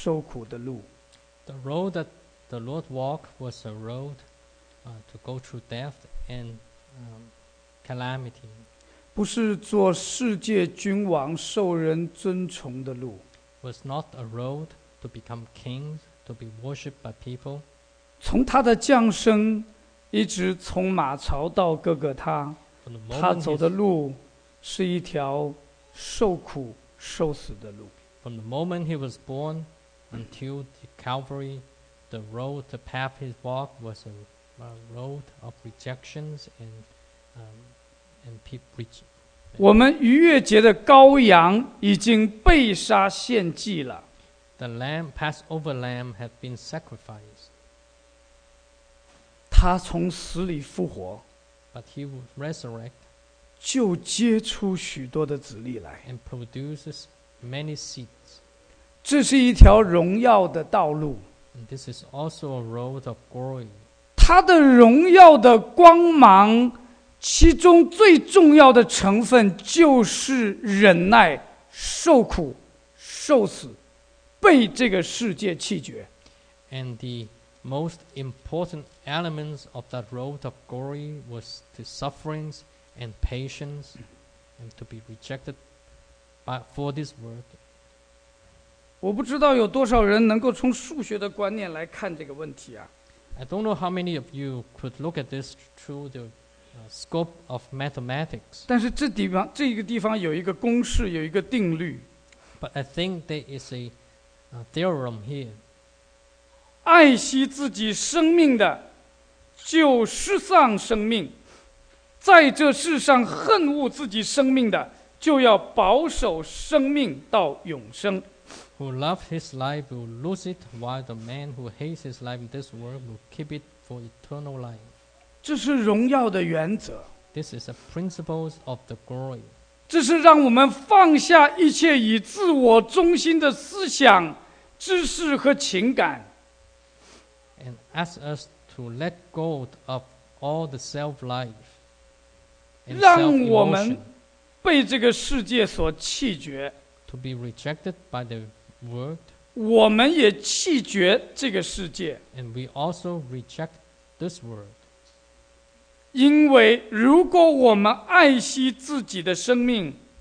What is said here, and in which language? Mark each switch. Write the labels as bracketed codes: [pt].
[en] The road that the Lord walked was a road to go through death and calamity. [zh] 不是做世界君王受人尊崇的路. [en] Was not a road to become kings, to be worshipped by people. [zh] 从他的降生一直从马槽到哥哥他, 他走的路 是一条受苦受死的路. [en] From the moment he was born until the Calvary, the road, the path he walked was a road of rejections and people preaching. [zh] 我们逾越节的羔羊已经被杀献祭了. [en] The lamb, Passover lamb, had been sacrificed. [zh] 他从死里复活. [en] But he resurrected. [zh] 就结出许多的子粒来。 [en] And produces many seeds. [zh] 这是一条荣耀的道路。 [en] And this is also a road of glory. [zh] 它的荣耀的光芒，其中最重要的成分就是忍耐、受苦、受死，被这个世界弃绝。 [en] And the most important elements of that road of glory was the sufferings and patience, and to be rejected for this world. [zh] 我不知道有多少人能够从数学的观念来看这个问题啊。 [en] I don't know how many of you could look at this through the scope of mathematics. [zh] 但是这个地方有一个公式，有一个定律。 [en] But I think there is a theorem here. [zh] 爱惜自己生命的，就失丧生命。在这世上恨恶自己生命的，就要保守生命到永生。 [en] Who loves his life will lose it, while the man who hates his life in this world will keep it for eternal life. [zh] 这是荣耀的原则。 [en] This is a principle of the glory. [zh] 这是让我们放下一切以自我中心的思想、知识和情感。 [en] And ask us to let go of all the self-life. [zh] 让我们被这个世界所弃绝 [en] to be rejected by the world, [zh] 我们也弃绝这个世界 [en] and we also reject this world. [zh] 因为如果我们爱惜自己的生命